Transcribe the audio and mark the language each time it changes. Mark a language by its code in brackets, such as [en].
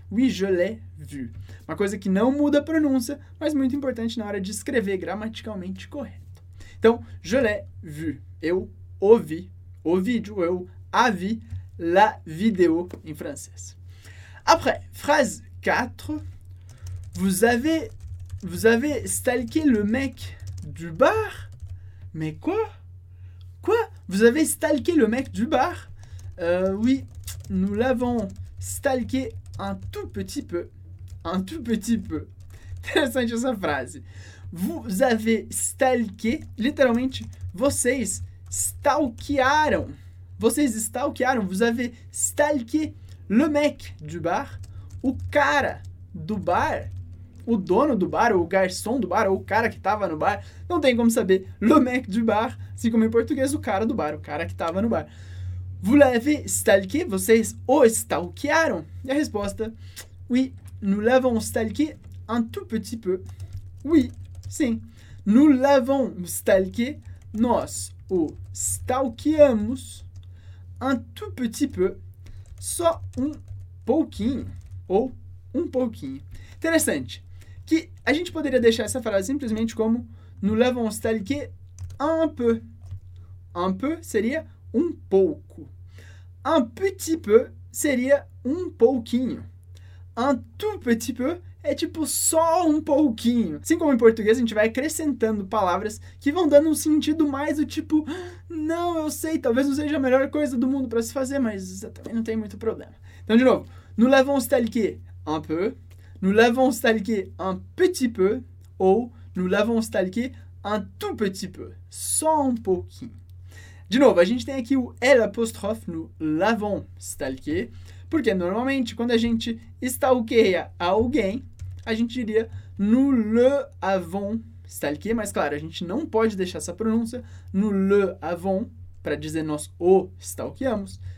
[fr] Oui, je l'ai vu. [pt] Uma coisa que não muda a pronúncia, mas muito importante na hora de escrever gramaticalmente correto. Então, [fr] je l'ai vu. [pt] Eu ouvi o vídeo. Eu a vi [fr] la vidéo [pt] em francês. [fr] Après, phrase 4. Vous avez stalké le mec du bar? Mais quoi? Quoi? Vous avez stalké le mec du bar? Oui, nous l'avons stalké un tout petit peu. Un tout petit peu. [pt] Interessante essa frase. [fr] Vous avez stalké, [pt] literalmente, vocês stalkearam. Vocês stalkearam, [fr] vous avez stalké le mec du bar. [pt] O cara do bar. O dono do bar, ou o garçom do bar, ou o cara que tava no bar. Não tem como saber. [fr] Le mec du bar, [pt] assim como em português, o cara do bar, o cara que tava no bar. [fr] Vous l'avez stalké? [pt] Vocês o stalkearam? E a resposta, [fr] oui, nous l'avons stalké un tout petit peu. Oui, sim. Nous l'avons stalké, [pt] nós o stalkeamos [fr] un tout petit peu. [pt] Só um pouquinho, ou um pouquinho. Interessante. Que a gente poderia deixar essa frase simplesmente como [fr] nous l'avons stalké un peu. Un peu [pt] seria um pouco. [fr] Un petit peu [pt] seria um pouquinho. [fr] Un tout petit peu [pt] é tipo só um pouquinho. Assim como em português, a gente vai acrescentando palavras que vão dando um sentido mais do tipo não, eu sei, talvez não seja a melhor coisa do mundo para se fazer, mas também não tem muito problema. Então, de novo, [fr] nous l'avons stalké un peu. Nous l'avons stalké un petit peu ou nous l'avons stalké un tout petit peu. [pt] Só um pouquinho. De novo, a gente tem aqui o elle apostrophe no l'avons stalké, porque normalmente quando a gente stalkeia alguém, a gente diria [fr] nous le avons stalké, [pt] mas claro, a gente não pode deixar essa pronúncia no [fr] le avons [pt] para dizer nós o stalkeamos.